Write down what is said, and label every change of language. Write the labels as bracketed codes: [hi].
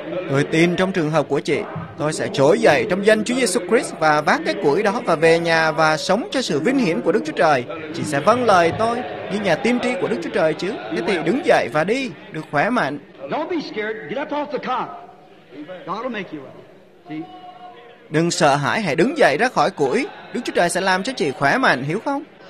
[vi] Tôi tin trong trường hợp của chị, tôi sẽ trỗi dậy trong danh Chúa Giêsu Christ và vác cái củi đó và về nhà và sống cho sự vinh hiển của Đức Chúa Trời. Chị sẽ vâng lời tôi như nhà tiên tri của Đức Chúa Trời chứ. Thế thì đứng dậy và đi, được khỏe mạnh. [en] Don't be scared, get up off the car. God will make you well. [vi] Đừng sợ hãi, hãy đứng dậy ra khỏi củi. Đức Chúa Trời sẽ làm cho chị khỏe mạnh, hiểu không?